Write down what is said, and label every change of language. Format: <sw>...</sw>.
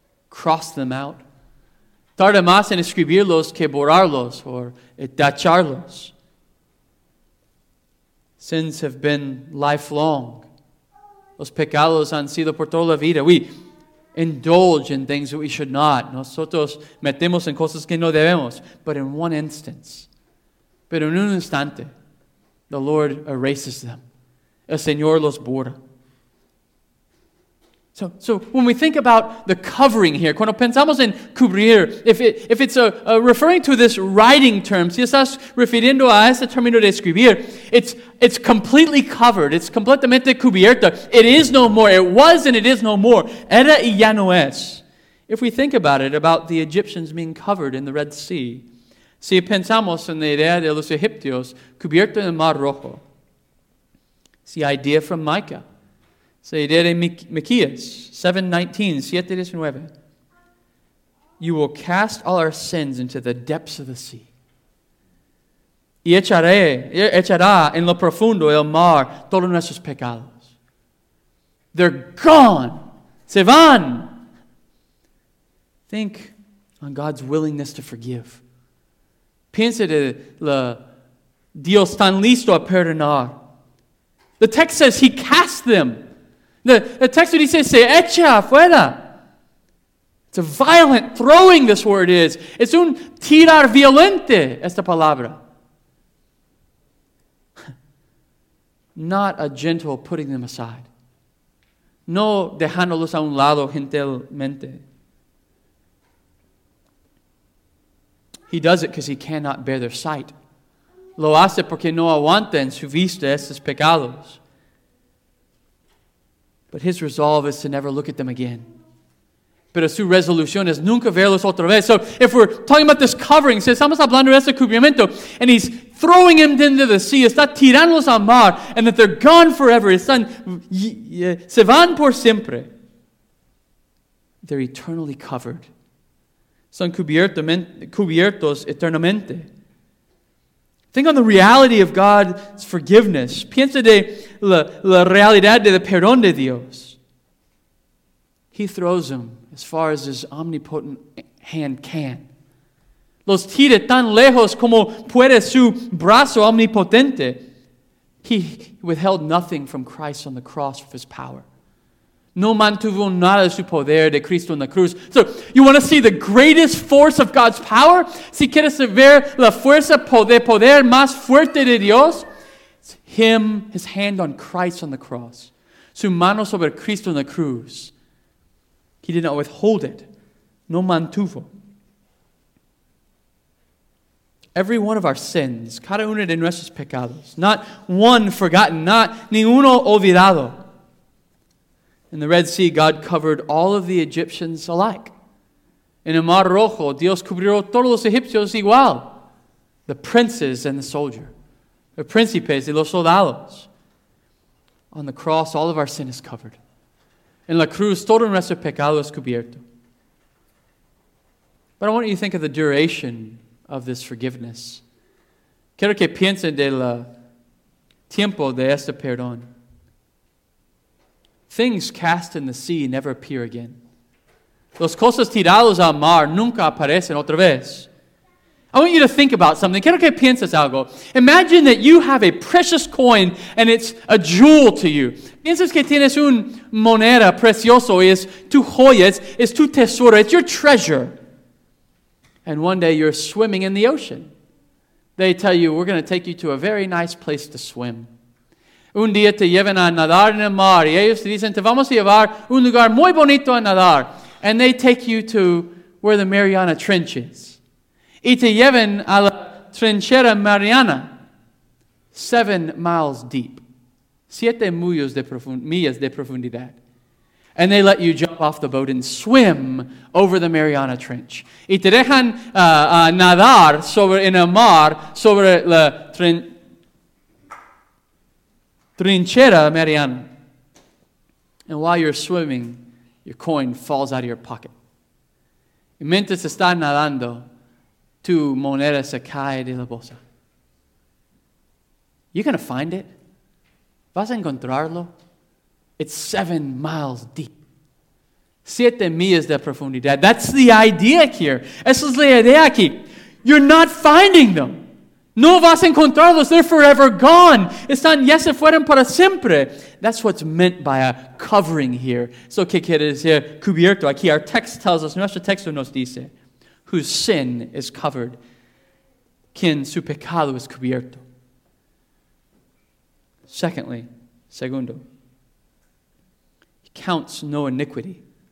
<en>Cross them out.</en> <es>Tarda más en escribirlos que borrarlos o tacharlos.</es> <en>Sins have been lifelong.</en> <es>Los pecados han sido por toda la vida.</es> <en>We indulge in things that we should not.</en> <es>Nosotros metemos en cosas que no debemos.</es> <en>But in one instance,</en> <es>pero en un instante,</es> <en>the Lord erases them.</en> <es>El Señor los borra.</es> <en>So when we think about the covering here,</en> <es>cuando pensamos en cubrir,</es> <en>if it's referring to this writing term,</en> <es>si estás refiriendo a ese término de escribir,</es> <en>it's completely covered, it's</en> <es>completamente cubierto.</es> <en>It is no more, it was and it is no more.</en> <es>Era y ya no es.</es> <en>If we think about it, about the Egyptians being covered in the Red Sea,</en> <es>si pensamos en la idea de los egipcios, cubierto en el Mar Rojo, si</es> <en>idea from Micah, say,</en> <es>idea de Miqueas 7:19, 7:19.</es> <en>You will cast all our sins into the depths of the sea.</en> <es>Y echará en lo profundo el mar todos nuestros pecados.</es> <en>They're gone.</en> <es>Se van.</es> <en>Think on God's willingness to forgive.</en> <es>Piensa de la Dios tan listo a perdonar.</es> <en>The text says he cast them. The text where he says,</en> <es>se echa afuera.</es> <en>It's a violent throwing, this word is. It's</en> <es>un tirar violente, esta palabra.</es> <en>Not a gentle putting them aside.</en> <es>No dejándolos a un lado gentilmente.</es> <en>He does it because he cannot bear their sight.</en> <es>Lo hace porque no aguanta en su vista esos pecados.</es> <en>But his resolve is to never look at them again.</en> <es>Pero su resolución es nunca verlos otra vez.</es> <en>So if we're talking about this covering,</en> <es>si estamos hablando de ese cubrimiento,</es> <en>and he's throwing him into the sea,</en> <es>está tirándolos al mar,</es> <en>and that they're gone forever,</en> <es>están, se van por siempre.</es> <en>They're eternally covered.</en> <es>Son cubiertos eternamente.</es> <en>Think on the reality of God's forgiveness.</en> <es>Piensa de la realidad de la perdón de Dios.</es> <en>He throws them as far as his omnipotent hand can.</en> <es>Los tira tan lejos como puede su brazo omnipotente.</es> <en>He withheld nothing from Christ on the cross with his power.</en> <es>No mantuvo nada su poder de Cristo en la cruz.</es> <en>So, you want to see the greatest force of God's power?</en> <es>Si quieres ver la fuerza de poder más fuerte de Dios,</es> <en>it's him, his hand on Christ on the cross.</en> <es>Su mano sobre Cristo en la cruz.</es> <en>He did not withhold it.</en> <es>No mantuvo.</es> <en>Every one of our sins,</en> <es>cada uno de nuestros pecados,</es> <en>not one forgotten, not</en> <es>ninguno olvidado.</es> <en>In the Red Sea, God covered all of the Egyptians alike.</en> <es>In el Mar Rojo, Dios cubrió todos los egipcios igual. The princes and the soldier. The príncipes y los soldados.</es> <en>On the cross, all of our sin is covered.</en> <es>En la cruz, todo nuestro pecado es cubierto.</es> <en>But I want you to think of the duration of this forgiveness.</en> <es>Quiero que piensen del tiempo de este perdón.</es> <en>Things cast in the sea never appear again.</en> <es>Los cosas tirados al mar nunca aparecen otra vez.</es> <en>I want you to think about something.</en> <es>Quiero que pienses algo.</es> <en>Imagine that you have a precious coin and it's a jewel to you.</en> <es>Piensas que tienes un moneda precioso y es tu joya, es tu tesoro,</es> <en>it's your treasure. And one day you're swimming in the ocean. They tell you, we're going to take you to a very nice place to swim.</en> <es>Un día te llevan a nadar en el mar y ellos te dicen, te vamos a llevar un lugar muy bonito a nadar.</es> <en>And they take you to where the Mariana Trench is.</en> <es>Y te llevan a la trinchera Mariana,</es> <en>7 miles deep,</en> <es>7 millas de profundidad.</es> <en>And they let you jump off the boat and swim over the Mariana Trench.</en> <es>Y te dejan nadar sobre en el mar sobre la trinchera Mariana.</es> <en>And while you're swimming, your coin falls out of your pocket.</en> <es>Y mientras estás nadando, tu moneda se cae de la bolsa.</es> <en>You're going to find it.</en> <es>Vas a encontrarlo.</es> <en>It's 7 miles deep.</en> <es>7 millas de profundidad.</es> <en>That's the idea here.</en> <es>Esa es la idea aquí.</es> <en>You're not finding them.</en> <es>No vas a encontrarlos.</es> <en>They're forever gone.</en> <es>Están ya se fueron para siempre.</es> <en>That's what's meant by a covering here.</en> <es>So, ¿qué quiere decir? Cubierto. Aquí,</es> <en>our text tells us,</en> <es>nuestro texto nos dice,</es> <en>whose sin is covered,</en> <es>quien su pecado es cubierto.</es> <en>Secondly,</en> <es>segundo,</es> <en>he counts no iniquity.</en>